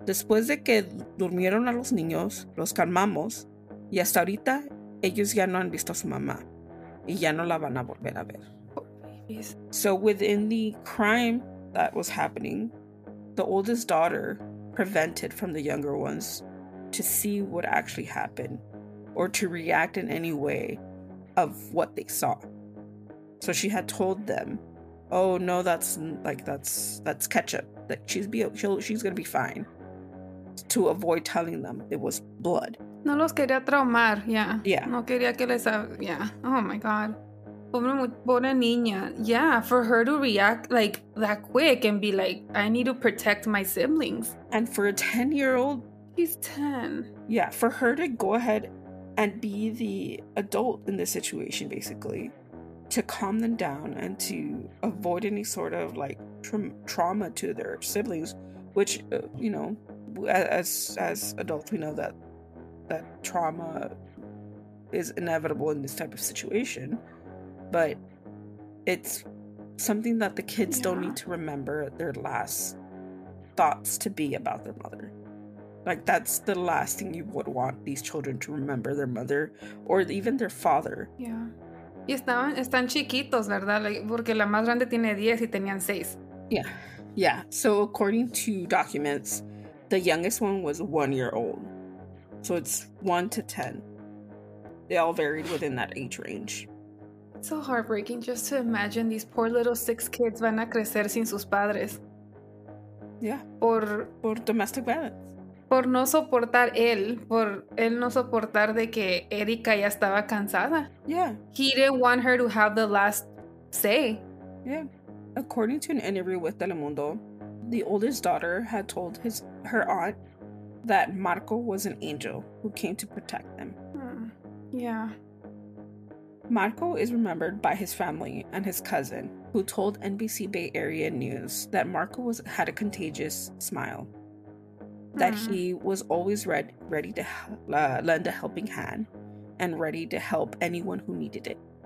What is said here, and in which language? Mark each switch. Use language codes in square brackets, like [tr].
[es] Después de que durmieron a los niños, los calmamos, y hasta ahorita, ellos ya no han visto a su mamá, y ya no la van a volver a ver." [en] So within the crime that was happening, the oldest daughter prevented from the younger ones to see what actually happened, or to react in any way of what they saw. So she had told them, "Oh no, that's ketchup. Like, she's gonna be fine," to avoid telling them it was blood. [es] No los quería traumar, yeah. [en] Yeah. [es] No quería que les, [en] yeah. Oh my God. [es] Pobre niña. [en] Yeah, for her to react like that quick and be like, "I need to protect my siblings." And for a 10-year-old. He's 10. Yeah, for her to go ahead and be the adult in this situation, basically, to calm them down and to avoid any sort of like trauma to their siblings, which, you know, as adults, we know that trauma is inevitable in this type of situation. But it's something that the kids don't need to remember their last thoughts to be about their mother. Like, that's the last thing you would want these children to remember their mother or even their father. [es] Yeah. Y están chiquitos, ¿verdad? Like, porque la más grande tiene 10 y tenían 6. [en] Yeah. Yeah. So according to documents, the youngest one was 1 year old. So it's 1 to 10. They all varied within that age range. So heartbreaking just to imagine these poor little 6 kids [es] van a crecer sin sus padres. [en] Yeah. [es] Por [en] domestic violence. [es] Por no soportar él. Por él no soportar de que Erika ya estaba cansada. [en] Yeah. He didn't want her to have the last say. Yeah. According to an interview with Telemundo, the oldest daughter had told her aunt that Marco was an angel who came to protect them. Yeah. Marco is remembered by his family and his cousin, who told NBC Bay Area News that Marco had a contagious smile, that he was always ready to lend a helping hand and ready to help anyone who needed it.